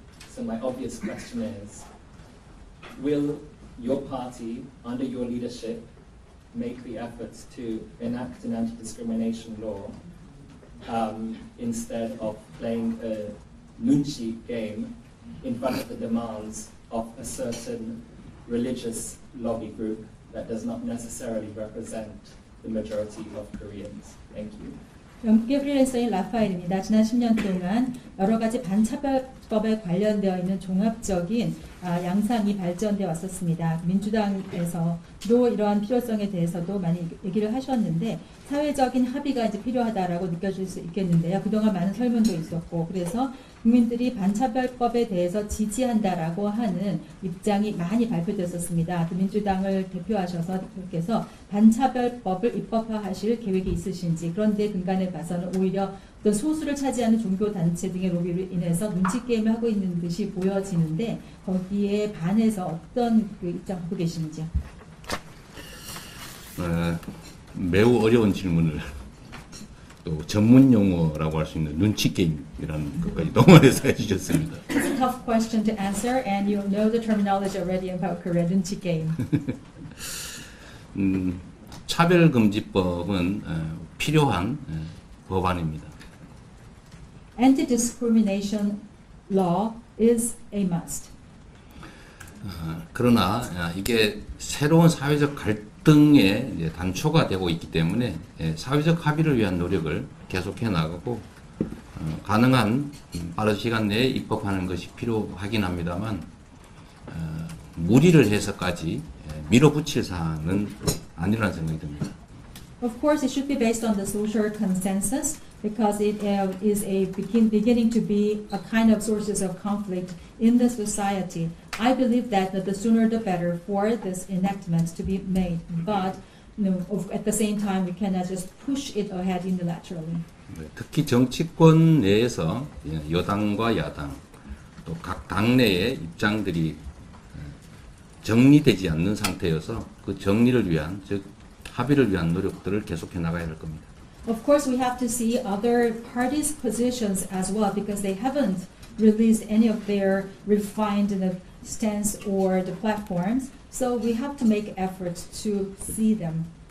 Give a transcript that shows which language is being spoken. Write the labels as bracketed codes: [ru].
[en] So my obvious question is, will your party, under your leadership, make the efforts to enact an anti-discrimination law instead of playing a munchi game in front of the demands of a certain religious lobby group that does not necessarily represent the majority of Koreans? Thank you. [ko] 영국의 프리랜서인 라파엘입니다. 지난 10년 동안 여러 가지 반차별법에 관련되어 있는 종합적인 양상이 발전되어 왔었습니다. 민주당에서도 이러한 필요성에 대해서도 많이 얘기를 하셨는데 사회적인 합의가 이제 필요하다라고 느껴질 수 있겠는데요. 그동안 많은 설문도 있었고 그래서 국민들이 반차별법에 대해서 지지한다라고 하는 입장이 많이 발표되었습니다. 민주당을 대표하셔서 대표께서 반차별법을 입법화하실 계획이 있으신지 그런데 근간에 봐서는 오히려 어떤 소수를 차지하는 종교단체 등의 로비를 인해서 눈치게임을 하고 있는 듯이 보여지는데 거기에 반해서 어떤 그 입장 갖고 계신지요? 매우 어려운 질문을 또 전문 용어라고 할 수 있는 눈치 게임이라는 것까지 동원해서 해주셨습니다. [en] It's a tough question to answer, and you know the terminology already about Korea, 눈치 게임. [ko] 차별 금지법은 필요한 법안입니다. [en] Anti-discrimination law is a must. [ko] 그러나 이게 새로운 사회적 등의 단초가 되고 있기 때문에 사회적 합의를 위한 노력을 계속해 나가고 가능한 빠른 시간 내에 입법하는 것이 필요하긴 합니다만 무리를 해서까지 밀어붙일 사안은 아니라는 생각이 듭니다. [en] Of course, it should be based on the social consensus because it is a beginning to be a kind of sources of conflict in the society. I believe that the sooner the better for this enactment to be made. But you know, at the same time, we cannot just push it ahead unilaterally. [ko] 특히 정치권 내에서 여당과 야당 또 각 당내의 입장들이 정리되지 않는 상태여서 그 정리를 위한 즉 합의를 위한 노력들을 계속해 나가야 할 겁니다. [en] Of course, we have to see other parties' positions as well because they haven't released any of their refined stance or the platforms, so we have to make efforts to see them.